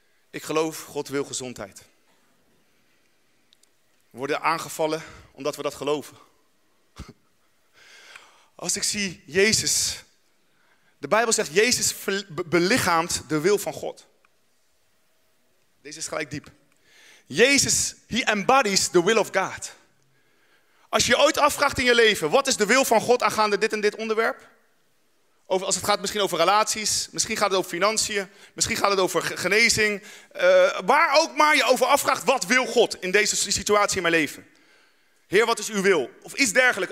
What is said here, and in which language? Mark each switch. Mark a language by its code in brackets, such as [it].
[nl] Ik geloof, God wil gezondheid. We worden aangevallen omdat we dat geloven. Als ik zie Jezus. De Bijbel zegt, Jezus belichaamt de wil van God. Deze is gelijk diep. [en] Jezus, he embodies the will of God. [nl] Als je ooit afvraagt in je leven, wat is de wil van God aangaande dit en dit onderwerp? Over, als het gaat misschien over relaties, misschien gaat het over financiën, misschien gaat het over genezing. Waar ook maar je over afvraagt, wat wil God in deze situatie in mijn leven? Heer, wat is uw wil? Of iets dergelijks.